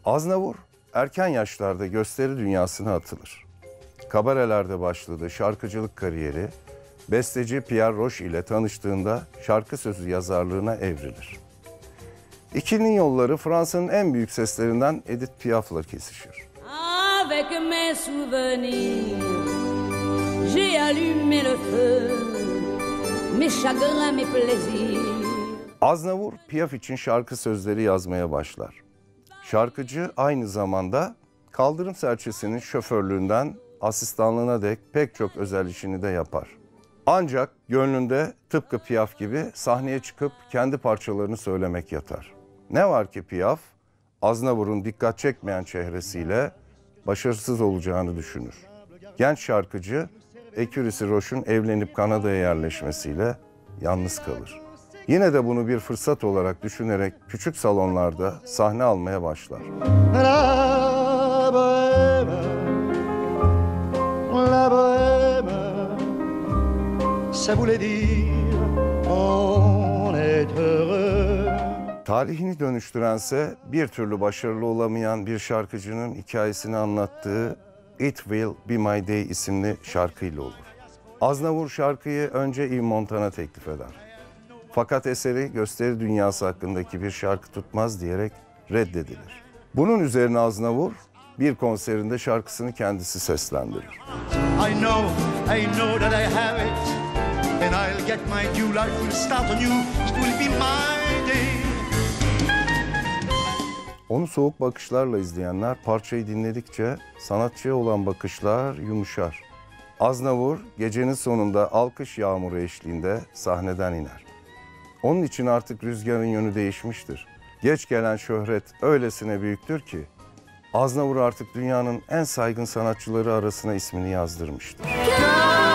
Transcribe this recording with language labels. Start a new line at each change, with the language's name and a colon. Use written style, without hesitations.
Turkish: Aznavour erken yaşlarda gösteri dünyasına atılır. Kabarelerde başladı şarkıcılık kariyeri, besteci Pierre Roche ile tanıştığında şarkı sözü yazarlığına evrilir. İkilinin yolları Fransa'nın en büyük seslerinden Edith Piaf'la kesişir.
French: Avec mes souvenirs, j'ai allumé le feu, mes chagrins, mes plaisirs.
Turkish: Aznavour, Piaf için şarkı sözleri yazmaya başlar. Şarkıcı aynı zamanda kaldırım serçesinin şoförlüğünden asistanlığına dek pek çok özel işini de yapar. Ancak gönlünde tıpkı Piaf gibi sahneye çıkıp kendi parçalarını söylemek yatar. Ne var ki Piaf, Aznavour'un dikkat çekmeyen çehresiyle başarısız olacağını düşünür. Genç şarkıcı, ekürisi Roche'un evlenip Kanada'ya yerleşmesiyle yalnız kalır. Yine de bunu bir fırsat olarak düşünerek küçük salonlarda sahne almaya başlar.
French: La Bohème, La Bohème, ça voulait dire on est heureux.
Turkish: Tarihini dönüştürense bir türlü başarılı olamayan bir şarkıcının hikayesini anlattığı It Will Be My Day isimli şarkıyla olur. Aznavour şarkıyı önce Yves Montand'a teklif eder. Fakat eseri gösteri dünyası hakkındaki bir şarkı tutmaz diyerek reddedilir. Bunun üzerine Aznavour bir konserinde şarkısını kendisi seslendirir.
English: I know, I know that I have it. And I'll get my new life, we'll start a new, it will be my day.
Turkish: Onu soğuk bakışlarla izleyenler parçayı dinledikçe sanatçıya olan bakışlar yumuşar. Aznavour gecenin sonunda alkış yağmuru eşliğinde sahneden iner. Onun için artık rüzgarın yönü değişmiştir. Geç gelen şöhret öylesine büyüktür ki Aznavour artık dünyanın en saygın sanatçıları arasına ismini yazdırmıştır.